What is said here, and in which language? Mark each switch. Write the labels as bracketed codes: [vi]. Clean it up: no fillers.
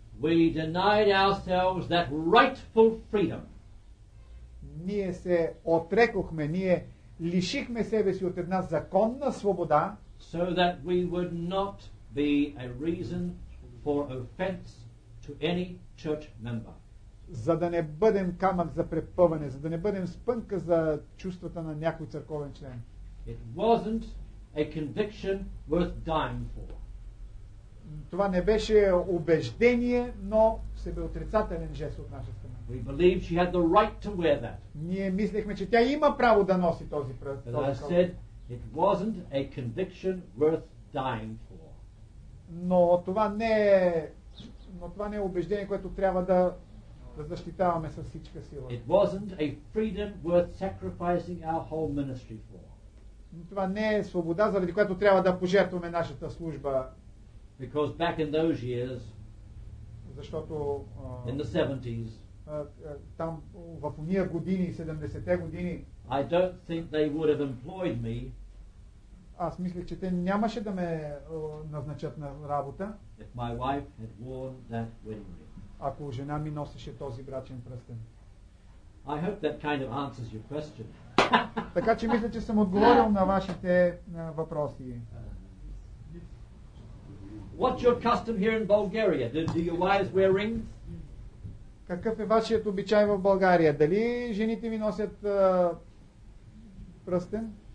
[en] We denied ourselves that rightful freedom. [bg] Ние се отрекохме, ние лишихме себе си от една законна свобода, [en] so that we would not be a reason for offense to any church member. [bg] За да не бъдем камък за препъване, за да не бъдем спънка за чувствата на някой църковен член. [en] It wasn't a conviction worth dying for. [bg] Това не беше убеждение, но себеотрицателен жест от наша страна. [en] We believe she had the right to wear that. [bg] Ние мислехме, че тя има право да носи този пръст. [en] As I said, it wasn't a conviction worth dying for. [bg] Но това не е убеждение, което трябва да защитаваме със всичка сила. [en] It wasn't a freedom worth sacrificing our whole ministry for. [bg] Това не е свобода, заради която трябва да пожертваме нашата служба. [en] Because back in those years, [bg] защото [en] in the 70s, [bg] там в ония години, 70-те години, [en] I don't think they would have employed me. [bg] Аз мислех, че те нямаше да ме назначат на работа. [en] If my wife had worn that wedding ring. [bg] Ако жена ми носеше този брачен пръстен. [en] I hope that kind of answers your question. [bg] Така че мисля, че съм отговорил на вашите въпроси. [en] What's your custom here in Bulgaria? Do your wives wear rings? [bg] Какъв е вашият обичай в България? Дали жените ви носят пръстен?